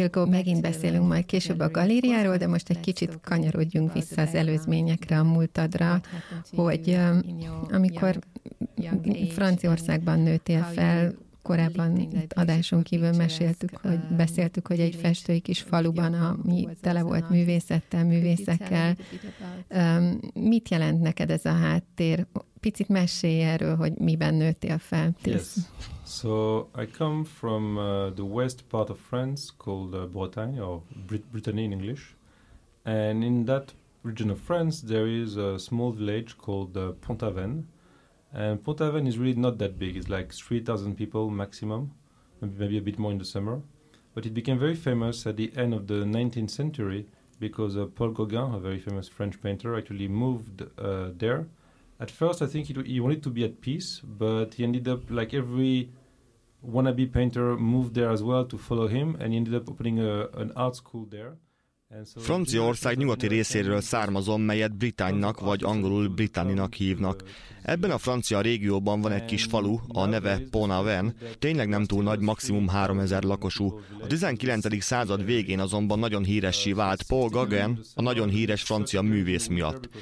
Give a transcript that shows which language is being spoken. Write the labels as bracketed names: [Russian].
[Hungarian] Megint beszélünk majd később a galériáról, de most egy kicsit kanyarodjunk vissza az előzményekre, a múltadra, hogy amikor Franciaországban nőttél fel, korábban adáson kívül beszéltük, hogy egy festői kis faluban, ami tele volt művészettel, művészekkel. Mit jelent neked ez a háttér? Picit mesélj erről, hogy miben nőttél fel. [English] So I come from the west part of France called Bretagne or Brittany in English, and in that region of France there is a small village called Pont-Aven, and Pont-Aven is really not that big. It's like 3,000 people maximum, maybe a bit more in the summer, but it became very famous at the end of the 19th century because Paul Gauguin, a very famous French painter, actually moved there. At first, I think he wanted to be at peace, but he ended up, like every wannabe painter, moved there as well to follow him, and he ended up opening an art school there. [Hungarian] Franciaország nyugati részéről származom, melyet Britannynak vagy angolul Britanninak hívnak. Ebben a francia régióban van egy kis falu, a neve Pont-Aven, tényleg nem túl nagy, maximum 3000 lakosú. A 19. század végén azonban nagyon híressé vált Paul Gauguin, a nagyon híres francia művész miatt.